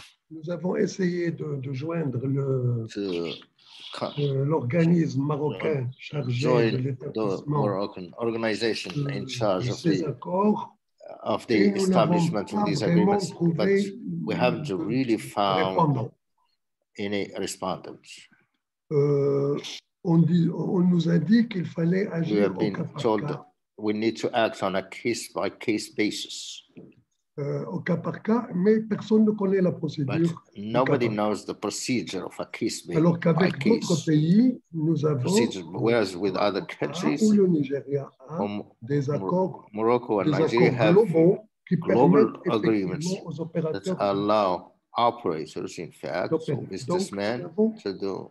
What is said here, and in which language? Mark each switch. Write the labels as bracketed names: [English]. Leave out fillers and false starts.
[French] Nous avons essayé de joindre le l'organisme marocain chargé de l'établissement [English] organization in charge of [French] ces accords. [English] Of the establishment of these agreements, but we haven't really found any respondents. [French] On nous indique qu'il fallait agir au cas par cas. [English] We have been told we need to act on a case by case basis. [French] Au cas par cas, mais personne ne connaît la procédure. [English] But nobody knows the procedure of a case by case. [French] Alors qu'avec d'autres pays, nous avons, [English] procedure, whereas with other countries, [French] ou le Nigeria, des accords, [English] Morocco and Nigeria have global agreements that allow operators, in fact, so businessmen, to do.